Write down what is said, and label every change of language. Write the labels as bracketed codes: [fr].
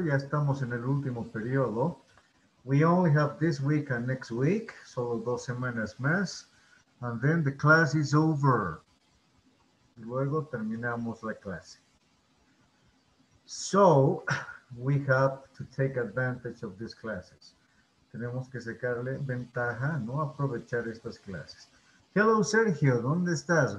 [es] Ya estamos en el último periodo. [en] We only have this week and next week, [es] solo dos semanas más, [en] and then the class is over. [es] Luego terminamos la clase. [en] So, we have to take advantage of these classes. [es] Tenemos que sacarle ventaja, ¿no? Aprovechar estas clases. [en] Hello, [es] Sergio, ¿dónde estás?